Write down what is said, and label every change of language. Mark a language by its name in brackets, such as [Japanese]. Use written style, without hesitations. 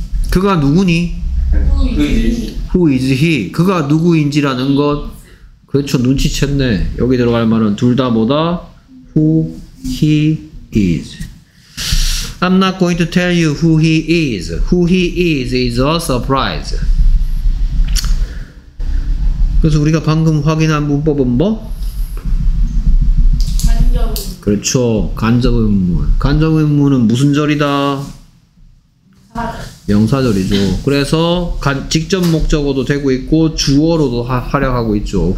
[Korean] 그가 누구니? [English] Who is he? Who is he? [Korean] 그가 누구인지라는 것. 그렇죠, 눈치챘네. 여기 들어갈 말은 둘 다 뭐다? [English] Who he is. I'm not going to tell you who he is. Who he is a surprise. [Korean] 그래서 우리가 방금 확인한 문법은 뭐? 간접. 그렇죠. 간접 의문. 간접 의문은 무슨 절이다? 명사절이죠. 그래서 직접 목적어도 되고 있고 주어로도 활용하고 있죠.